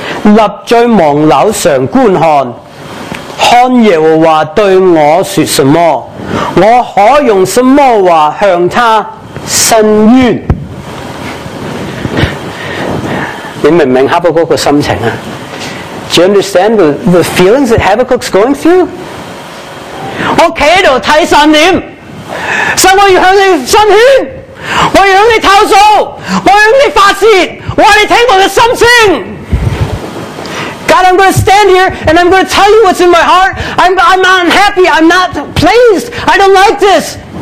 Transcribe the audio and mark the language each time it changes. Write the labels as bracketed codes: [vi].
[zh] 第二章第一节,我要站在所望所,立在望楼上观看, 看耶和华对我说什么,我可用什么话向他申冤? 你明白哈巴谷的心情啊? [en] Do you understand the feelings that Habakkuk's going through? [zh] 我站在这里看神念, 神我要向你申冤, 我要向你投诉, 我要向你发誓, 我要你听我的心声。 [en] God, I'm going to stand here and I'm going to tell you what's in my heart. I'm not unhappy. I'm not pleased. I don't like this.